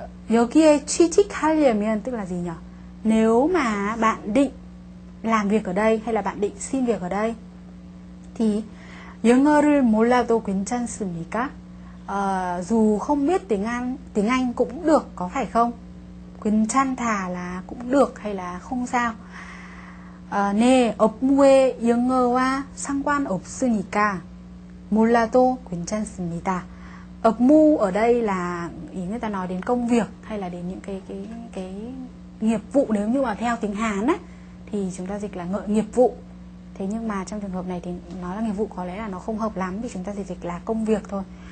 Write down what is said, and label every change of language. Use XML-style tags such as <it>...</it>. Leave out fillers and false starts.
<ko>여기에 취직하려면</ko> <vi>tức là gì nhỉ? Nếu mà bạn định làm việc ở đây hay là bạn định xin việc ở đây thì</vi> <ko>영어를 몰라도 괜찮습니까?</ko> <vi>Dù không biết tiếng Anh cũng được, có phải không? 괜찮다 là cũng được hay là không sao.</vi> <ko>네, 업무에 영어와 상관없으니까 몰라도 괜찮습니다.</ko> <vi>업무 ở đây là ý người ta nói đến công việc hay là đến những cái nghiệp vụ, nếu như mà theo tiếng Hán á thì chúng ta dịch là ngợi nghiệp vụ. Thế nhưng mà trong trường hợp này thì nó là nghiệp vụ, có lẽ là nó không hợp lắm thì chúng ta dịch là công việc thôi.</vi>